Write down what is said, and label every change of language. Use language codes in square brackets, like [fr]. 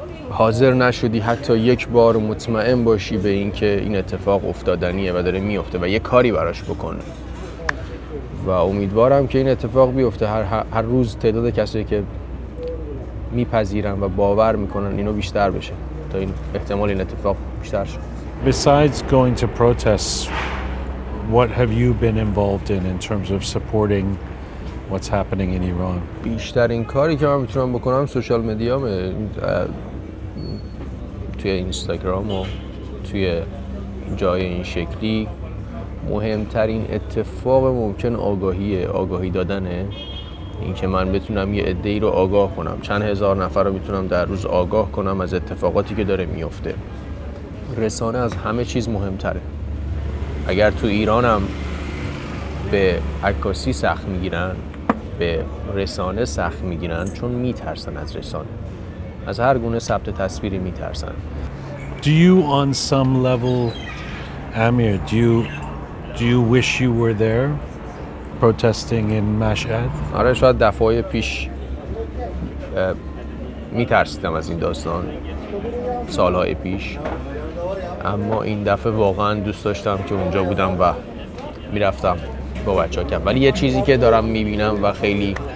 [fa] حاضر نشدی حتی یک بار مطمئن باشی به این که این اتفاق افتادنیه و داره میفته و یه کاری براش بکن و امیدوارم که این اتفاق بیفته هر روز تعداد کسی که میپذیرن و باور میکنن اینو بیشتر بشه تا این احتمال این اتفاق بیشتر شه [en] Besides going to protests what have you been involved in terms of supporting what's happening in Iran [fa] بیشتر این کاری که من میتونم بکنم سوشال مدیامه توی اینستاگرام و توی جای این شکلی مهمترین اتفاق ممکن آگاهیه آگاهی دادنه این که من بتونم یه عده‌ای رو آگاه کنم چند هزار نفر رو میتونم در روز آگاه کنم از اتفاقاتی که داره میفته رسانه از همه چیز مهمتره اگر تو ایرانم به عکاسی سخت میگیرن به رسانه سخت میگیرن چون میترسن از رسانه از هر گونه ثبت تصویری میترسن [en] Do you on some level Amir do you wish you were there protesting in Mashhad? [fa] آره شاید دفعه پیش میترسیدم از این داستان سالهای پیش اما این دفعه واقعا دوست داشتم که اونجا بودم و میرفتم با بچه‌ها که ولی یه چیزی که دارم میبینم و خیلی